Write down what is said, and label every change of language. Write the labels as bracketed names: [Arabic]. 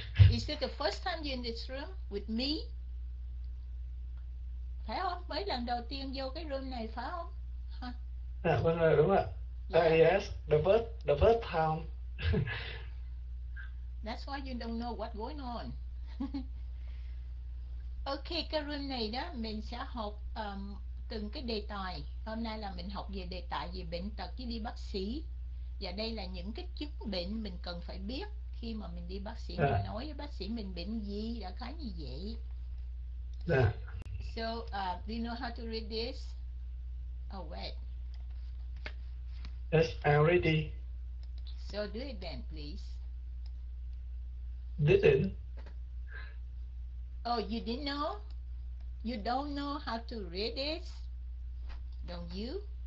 [English] Is it the first time you're in this room with me? [Vietnamese] Phải không? Mấy lần đầu tiên vô cái room này phải không? [English] Huh? Yeah, [Vietnamese] vâng rồi, đúng ạ. [English] Yeah. Yes, the first time. That's why you don't know what's going on. [Vietnamese] Okay, cái room này đó mình sẽ học từng cái đề tài. Hôm nay là mình học về đề tài về bệnh tật chứ đi bác sĩ. Và đây là những cái chứng bệnh mình cần phải biết khi mà mình đi bác sĩ, yeah. Mình nói với bác sĩ mình bệnh gì, đã khá như vậy. [English] Yeah. So, do you know how to read this? Oh, wait. Yes, I'm ready. So, do it then, please. Didn't. Oh, you didn't know? You don't know how to read this? Don't you?